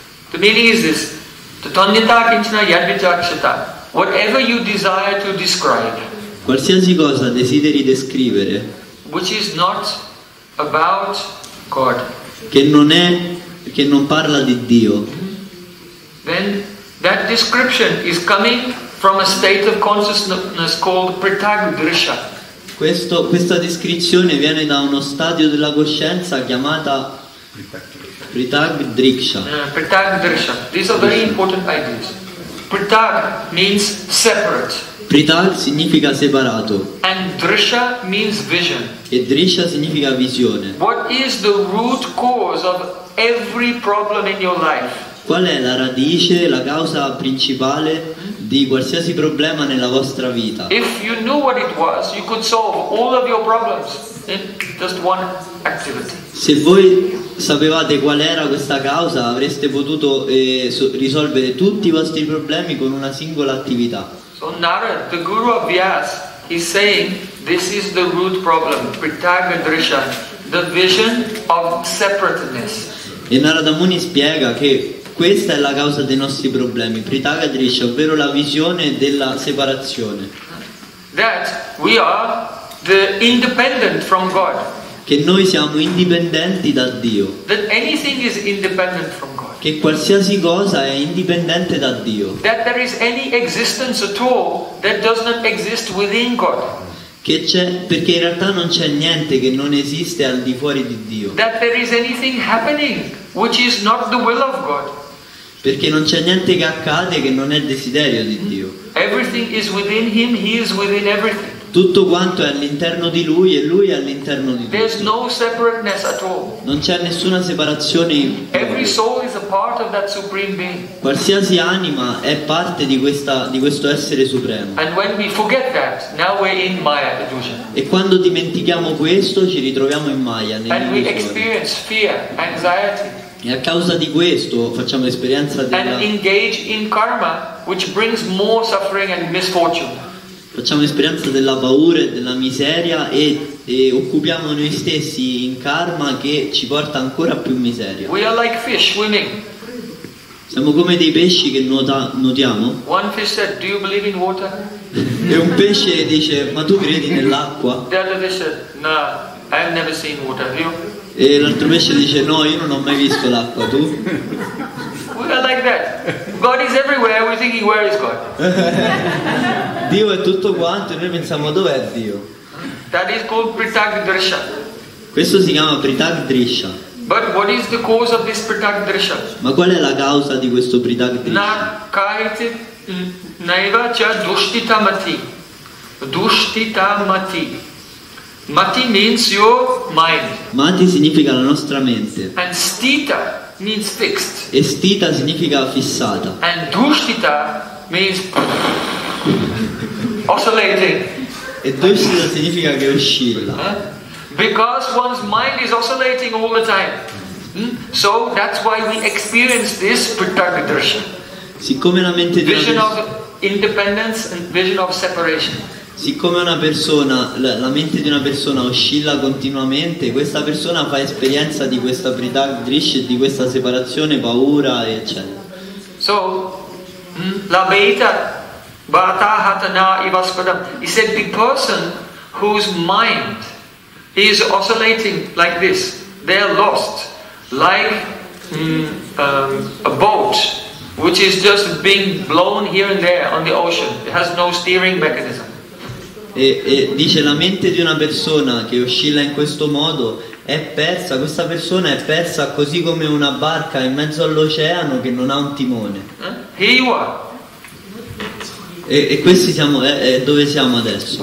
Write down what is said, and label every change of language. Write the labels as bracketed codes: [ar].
[en] The meaning is this: [sa] tathonyata kinchana yad vivakshata, [en] whatever you desire to describe, [it] qualsiasi cosa desideri descrivere, [en] which is not about God, [it] che non è, che non parla di Dio, [en] then that description is coming from a state of consciousness called pritagdrisha. [it] Questa descrizione viene da uno stadio della coscienza chiamata pritagdrisha. [en] Pritagdrisha. These are very important ideas. Pritag means separate. [it] Pritag significa separato. [en] And drisha means vision. [it] E drisha significa visione. [en] What is the root cause of every problem in your life? [it] Qual è la radice, la causa principale di qualsiasi problema nella vostra vita? [en] If you knew what it was, you could solve all of your problems in just one activity. [it] Se voi sapevate qual era questa causa, avreste potuto risolvere tutti i vostri problemi con una singola attività. [en] So Narada, the guru of Vyas, is saying this is the root problem, pritagdrisha, the vision of separateness. [it] E Narada Muni spiega che questa è la causa dei nostri problemi, pritagdrisha, ovvero la visione della separazione. [en] That we are the independent from God. [it] Che noi siamo indipendenti da Dio. [en] That anything is independent from God. [it] Che qualsiasi cosa è indipendente da Dio. [en] That there is any existence at all that does not exist within God. [it] Che c'è, perché in realtà non c'è niente che non esiste al di fuori di Dio. [en] That there is anything happening which is not the will of God. [it] Perché non c'è niente che accade che non è desiderio di Dio. [en] Everything is within him, he is within everything. [it] Tutto quanto è all'interno di lui e lui è all'interno di tutto. [en] There's no separateness at all. [it] Non c'è nessuna separazione. [en] Every soul is a part of that supreme being. [it] Qualsiasi anima è parte di questa, di questo essere supremo. [en] And when we forget that, now we're in Maya illusion. [it] E quando dimentichiamo questo, ci ritroviamo in Maya. [en] And we experience fear, anxiety. [it] E a causa di questo facciamo l'esperienza della. [en] And engage in karma, which brings more suffering and misfortune. [it] Facciamo esperienza della paura e della miseria e occupiamo noi stessi in karma che ci porta ancora più miseria. [en] We are like fish swimming. [it] Siamo come dei pesci che nuotiamo. [en] One fish said, "Do you believe in water?" [it] E un pesce dice: "Ma tu credi nell'acqua?" [en] The other fish said, "No, I've never seen water, have you?" [it] E l'altro pesce dice: "No, io non ho mai visto l'acqua, tu?" [en] We are like that. God is everywhere, we're thinking where is God? [it] Dio è tutto quanto e noi pensiamo dov'è Dio? [en] That is called Pritak Drisha. [it] Questo si chiama Pritak Drisha. [en] But what is the cause of this Pritak Drisha? [it] Ma qual è la causa di questo Pritak Drisha? [sa] Na kaite naiva cha dushtita mati. Dushtita mati. [en] Mati means your mind. [it] Mati significa la nostra mente. [en] And stita means fixed. [it] E stita significa fissata. [en] And dushtita means oscillating. [it] E dushtita significa che oscilla. [en] Because one's mind is oscillating all the time. So that's why we experience this pritak drisha. [it] Siccome la mente di [en] vision of independence and vision of separation. [it] Siccome una persona, la mente di una persona oscilla continuamente, questa persona fa esperienza di questa pritak drisha, di questa separazione, paura, eccetera. [sa] So la veita vata hatana ivaspadam. [en] He said the person whose mind is oscillating like this, they are lost, like a boat which is just being blown here and there on the ocean. It has no steering mechanism. [it] E dice la mente di una persona che oscilla in questo modo è persa, questa persona è persa così come una barca in mezzo all'oceano che non ha un timone. Hiwa. E questi siamo, dove siamo adesso?